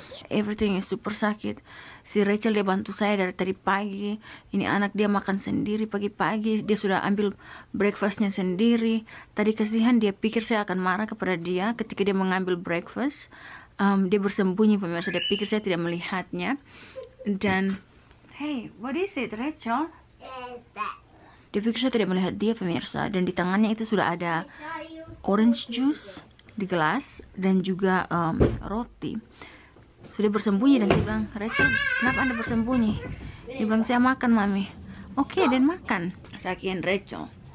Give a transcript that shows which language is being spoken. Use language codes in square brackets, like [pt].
[en] Everything is super [id] sakit. Si Rachel dia bantu saya dari tadi pagi. Ini anak dia makan sendiri pagi-pagi. Dia sudah ambil breakfastnya sendiri. Tadi kasihan dia pikir saya akan marah kepada dia ketika dia mengambil breakfast. Dia bersembunyi pemirsa. Dia pikir saya tidak melihatnya. Dan [en] hey, what is it, Rachel? [id] Dia pikir saya tidak melihat dia pemirsa. Dan di tangannya itu sudah ada orange juice di gelas dan juga roti. Sudah bersembunyi dan dia bilang, Rachel, kenapa Anda bersembunyi? Dia bilang, saya makan, Mami. Oke, okay, dan makan. Sakian Rachel.